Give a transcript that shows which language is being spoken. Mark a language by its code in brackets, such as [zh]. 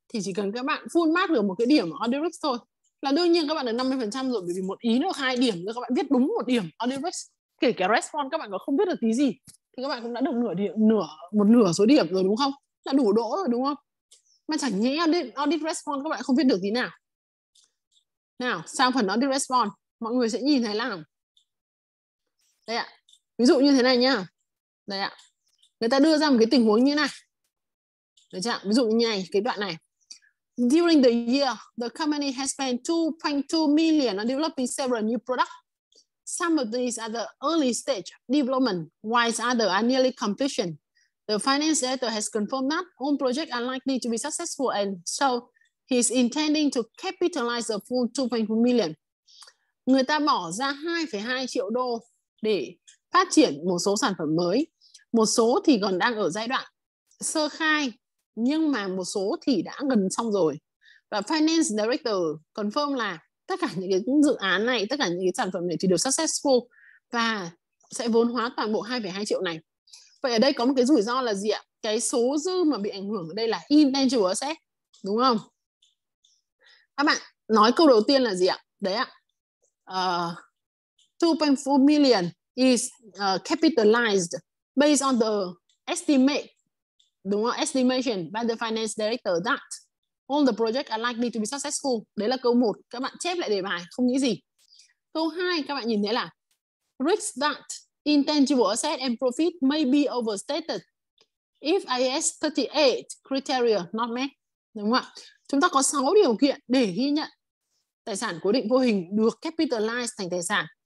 [vi] thì chỉ cần các bạn full mark được một cái điểm ở Audirex thôi là đương nhiên các bạn được 50% rồi, bởi vì một ý được 2 điểm, các bạn viết đúng một điểm Audirex, kể cả response các bạn có không biết được tí gì thì các bạn cũng đã được nửa điểm, nửa một nửa số điểm rồi đúng không, là đủ đỗ rồi đúng không. Mà chẳng nhẽ audit response các bạn không viết được tí nào. Nào, sang phần audit response mọi người sẽ nhìn thấy làm đây ạ, ví dụ như thế này nhá. Đây ạ, người ta đưa ra một cái tình huống như này, được chưa? Ví dụ như này, cái đoạn này: [en] During the year, the company has spent 2.2 million on developing several new products. Some of these are the early stage development, while others are nearly completion. The finance director has confirmed that all projects are likely to be successful, and so he's intending to capitalize the full 2.2 million. [vi] Người ta bỏ ra 2,2 triệu đô để phát triển một số sản phẩm mới. Một số thì còn đang ở giai đoạn sơ khai, nhưng mà một số thì đã gần xong rồi. Và finance director confirm là tất cả những cái dự án này, tất cả những cái sản phẩm này thì đều successful và sẽ vốn hóa toàn bộ 2,2 triệu này. Vậy ở đây có một cái rủi ro là gì ạ? Cái số dư mà bị ảnh hưởng ở đây là intangible asset, đúng không? Các bạn nói câu đầu tiên là gì ạ? Đấy ạ. [en] 2.4 million is capitalized based on the estimate, [vi] đúng không? [en] Estimation by the finance director that all the projects are likely to be successful. [vi] Đấy là câu 1. Các bạn chép lại đề bài, không nghĩ gì. Câu 2, các bạn nhìn thấy là [en] risk that intangible asset and profit may be overstated if IAS 38 criteria not met. [vi] Đúng không ạ? Chúng ta có 6 điều kiện để ghi nhận tài sản cố định vô hình được capitalize thành tài sản.